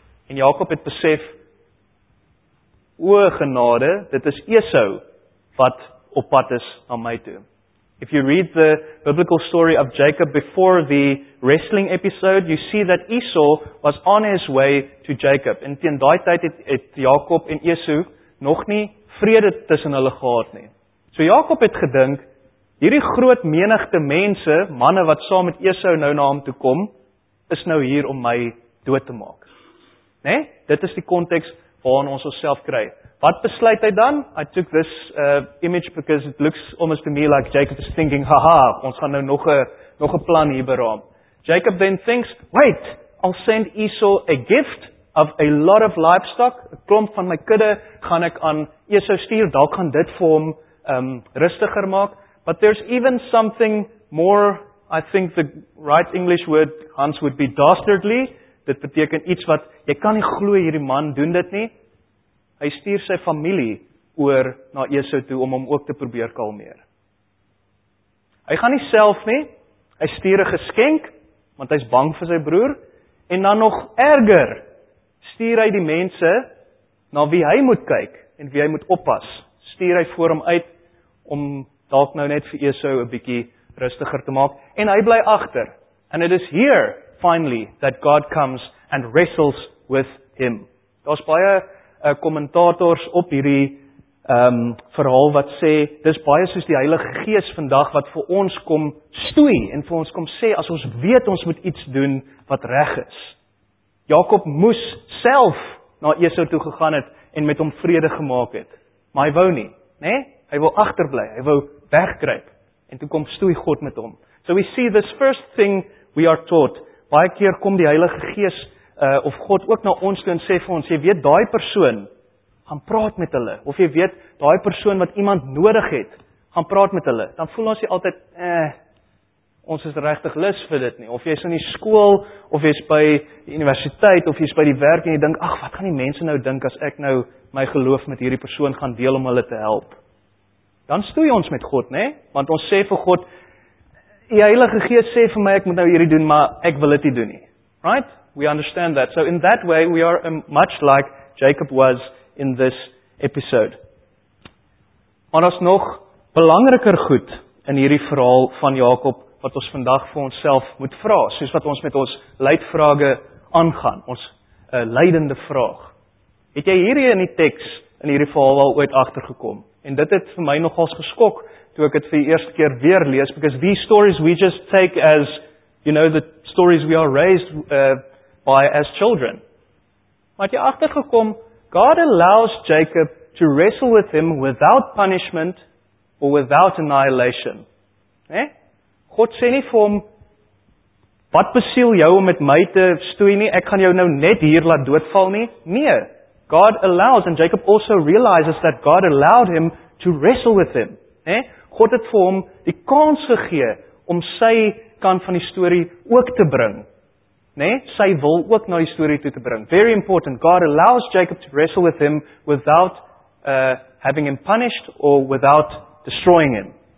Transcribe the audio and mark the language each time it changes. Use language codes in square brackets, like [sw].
[af] En Jakob het besef, o genade, dit is Esau wat op pad is na my toe. [en] If you read the biblical story of Jacob before the wrestling episode, you see that Esau was on his way to Jacob. [af] En teen daai tyd het Jakob en Esau nog nie vrede tussen hulle gehad nie. So Jakob het gedink, hierdie groot menigte mense, manne wat saam met Esau nou na hom toe kom, is nou hier om my dood te maak. Né? Dit is die konteks waarin ons onsself kry. Wat besluit hy dan? [en] I took this image because it looks almost to me like Jacob is thinking, haha, [af] ons gaan nou nog een plan hier beraam. [en] Jacob then thinks, wait, I'll send Esau a gift of a lot of livestock, [af] 'n klomp van my kudde gaan ek aan Esau stuur, dalk gaan dit vir hom rustiger maak. [en] But there's even something more, I think the right English word, Hans, would be dastardly. [af] Dit beteken iets wat, jy kan nie glo hierdie man doen dit nie. Hy stuur sy familie oor na Esau toe om hom ook te probeer kalmeer. Hy gaan nie self nie, hy stuur 'n geskenk, want hy's bang vir sy broer, en dan nog erger, stuur hy die mense na wie hy moet kyk en wie hy moet oppas. Stuur hy voor hom uit om dalk nou net vir Esau 'n bietjie rustiger te maak, en hy bly agter. [en] And it is here finally that God comes and wrestles with him. [af] Daar's baie kommentators op hierdie verhaal wat sê, dis baie soos die Heilige Gees vandag wat vir ons kom stoei en vir ons kom sê, as ons weet ons moet iets doen wat reg is. Jakob moes self na Esau toe gegaan het en met hom vrede gemaak het, maar hy wou nie, né? Hy wou agterbly, hy wou wegkruip, en toe kom stoei God met hom. [en] So we see this first thing we are taught, [af] baie keer kom die Heilige Gees of God ook na ons toe en sê vir ons, jy weet, daai persoon, gaan praat met hulle, of jy weet, daai persoon wat iemand nodig het, gaan praat met hulle, dan voel ons jy altyd, ons is regtig lus vir dit nie, of jy is in die skool, of jy is by die universiteit, of jy is by die werk, en jy dink, ag, wat gaan die mense nou dink, as ek nou my geloof met hierdie persoon gaan deel om hulle te help. Dan stoei ons met God, nê? Want ons sê vir God, die Heilige Gees sê vir my, ek moet nou hierdie doen, maar ek wil dit nie doen nie. [en] Right? We understand that. So in that way, we are much like Jacob was in this episode. [af] Maar ons nog belangriker goed in hierdie verhaal van Jakob, wat ons vandag vir onsself moet vra, soos wat ons met ons leidvrage aangaan, ons leidende vraag. Het jy hierdie in die teks in hierdie verhaal al ooit agtergekom? En dit het vir my nogals geskok, toe ek het vir die eerste keer weer lees, [en] because these stories we just take as, you know, the stories we are raised by as children. [af] Maar het jy agtergekom, [en] God allows Jacob to wrestle with him without punishment or without annihilation. Eh? [af] God sê nie vir hom, wat besiel jou om met my te stoei nie, ek gaan jou nou net hier laat doodval nie. [en] Nee, God allows, and Jacob also realizes that God allowed him to wrestle with him. Eh? [af] God het vir hom die kans gegee om sy kant van die story ook te bring. Nee, sy wil ook na die story toe te bring. [en] Very important, God allows Jacob to wrestle with him without having him punished or without destroying him.